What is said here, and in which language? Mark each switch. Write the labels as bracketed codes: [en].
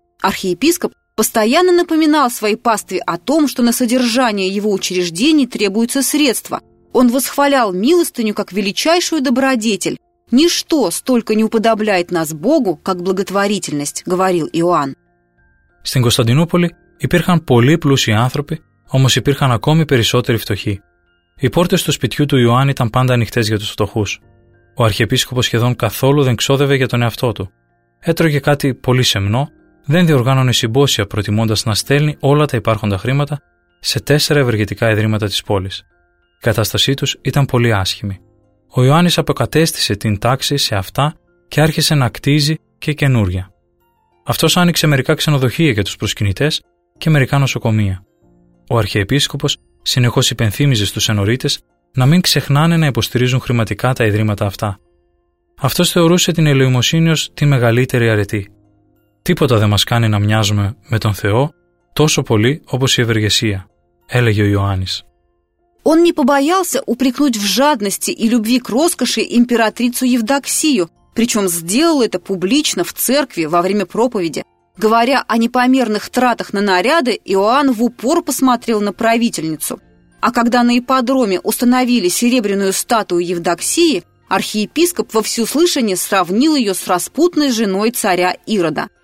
[ru] Архиепископ постоянно напоминал своей пастве о том, что на содержание его учреждений требуются средства. Он восхвалял милостыню как величайшую добродетель. «Ничто столько не уподобляет нас Богу, как благотворительность», — говорил Иоанн. [el] Στην Κωνσταντινούπολη υπήρχαν πολύ πλούσιοι άνθρωποι, όμως υπήρχαν ακόμη περισσότεροι φτωχοί. Οι πόρτες του σπιτιού του Ιωάννη ήταν πάντα ανοιχτές για τους φτωχούς. Ο αρχιεπίσκοπος σχεδόν καθόλου δεν ξόδευε για τον εαυτό του. Έτρωγε κάτι πολύ σεμνό. Δεν διοργάνωνε συμπόσια προτιμώντας να στέλνει όλα τα υπάρχοντα χρήματα σε 4 ευεργετικά ιδρύματα της πόλης. Η κατάστασή τους ήταν πολύ άσχημη. Ο Ιωάννης αποκατέστησε την τάξη σε αυτά και άρχισε να κτίζει και καινούρια. Αυτός άνοιξε μερικά ξενοδοχεία για τους προσκυνητές και μερικά νοσοκομεία. Ο αρχιεπίσκοπος συνεχώς υπενθύμιζε στους ενορίτες να μην ξεχνάνε να υποστηρίζουν χρηματικά τα ιδρύματα αυτά. Αυτός θεωρούσε την ελεημοσύνη ως τη μεγαλύτερη αρετή. «Τίποτα δεν μας κάνει να μοιάζουμε με τον Θεό τόσο πολύ όπως η ευεργεσία», έλεγε ο Ιωάννης. [ru] Он не побоялся упрекнуть в жадности и любви к роскоши императрицу Евдоксию, причем сделал это публично в церкви во время проповеди. Говоря о непомерных тратах на наряды, Иоанн в упор посмотрел на правительницу. А когда на ипподроме установили серебряную статую Евдоксии, архиепископ во всеуслышание сравнил ее с распутной женой царя Ирода.